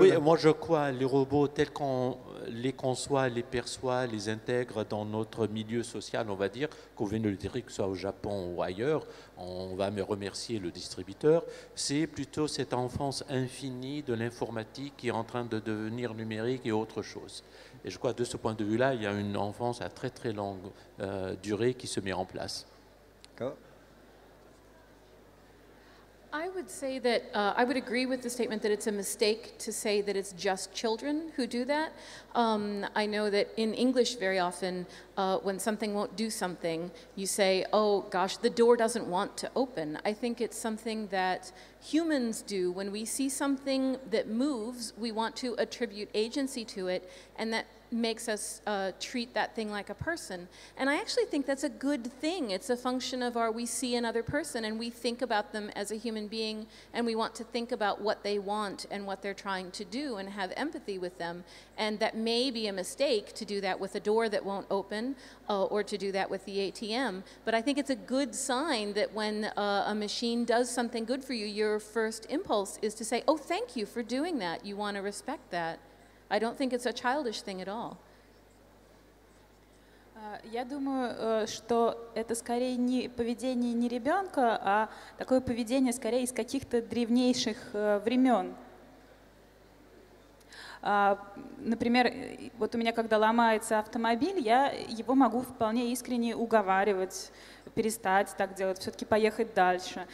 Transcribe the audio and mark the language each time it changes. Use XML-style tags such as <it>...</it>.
<fr>Oui, moi, je crois, les robots, tels qu'on les conçoit, les perçoit, les intègre dans notre milieu social, on va dire, qu'on vienne le dire, que ce soit au Japon ou ailleurs, on va me remercier le distributeur, c'est plutôt cette enfance infinie de l'informatique qui est en train de devenir numérique et autre chose. Et je crois, de ce point de vue-là, il y a une enfance à très, très longue durée qui se met en place. D'accord.</fr> <en>I would say that I would agree with the statement that it's a mistake to say that it's just children who do that. I know that in English, very often, when something won't do something, you say, oh gosh, the door doesn't want to open. I think it's something that humans do. When we see something that moves, we want to attribute agency to it, and that makes us treat that thing like a person. And I actually think that's a good thing. It's a function of our, we see another person and we think about them as a human being and we want to think about what they want and what they're trying to do and have empathy with them. And that may be a mistake to do that with a door that won't open or to do that with the ATM. But I think it's a good sign that when a machine does something good for you, your first impulse is to say, oh, thank you for doing that. You want to respect that. I don't think it's a childish thing at all.</en> <ru>Я думаю, что это скорее не поведение не ребенка, а такое поведение скорее из каких-то древнейших времен. Например, вот у меня когда ломается автомобиль, я его могу вполне искренне уговаривать, перестать так делать, все-таки поехать дальше.</ru>